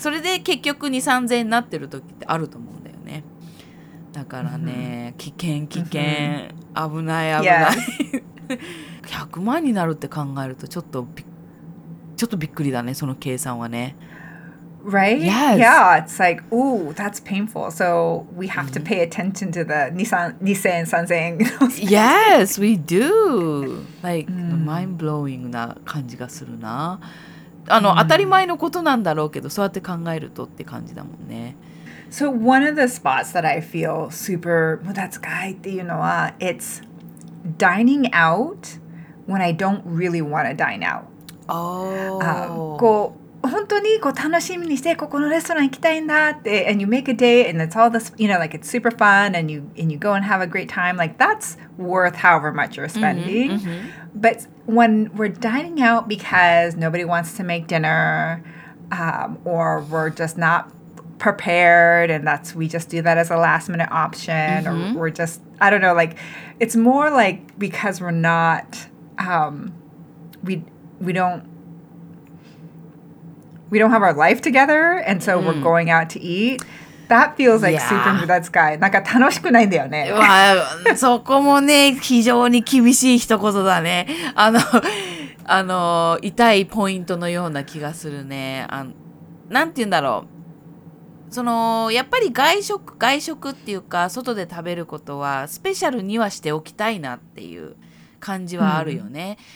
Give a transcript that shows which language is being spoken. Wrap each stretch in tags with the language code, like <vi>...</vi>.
<ja>それで結局 2,3,000 円になってるときってあると思うんだよね。だからね、危険危険、危ない危ない、</ja> <en>yes.</en> <ja>100万になるって考えるとちょっとびっくりだね、その計算はね。</ja> <en>Right? Yes. Yeah, it's like, ooh, that's painful. So we have to pay attention to the 2,000円, 3,000円. Yes, we do. Like, mind-blowing</en> <ja>な感じがするな。当たり前のことなんだろうけど、そうやって考えるとって感じだもんね。</ja> <en>So one of the spots that I feel super mudatsukai</en> <ja>っていうのは,</ja> <en>it's dining out when I don't really want to dine out. Oh.</en> <ja>こう、本当にこう楽しみにしてここのレストラン行きたいんだって,</ja> <en>and you make a date and it's all this, you know, like it's super fun and you go and have a great time. Like that's worth however much you're spending. But when we're dining out because nobody wants to make dinner, or we're just not... prepared and that's we just do that as a last minute option or we're just I don't know like it's more like because we're not we don't have our life together and so we're going out to eat that feels like super good that's guy</en> <ja>なんか楽しくないんだよね。わそこもね非常に厳しい一言だね。あの痛いポイントのような気がするね。なんて言うんだろう、そのやっぱり外食っていうか外で食べることはスペシャルにはしておきたいなっていう感じはあるよね。</ja>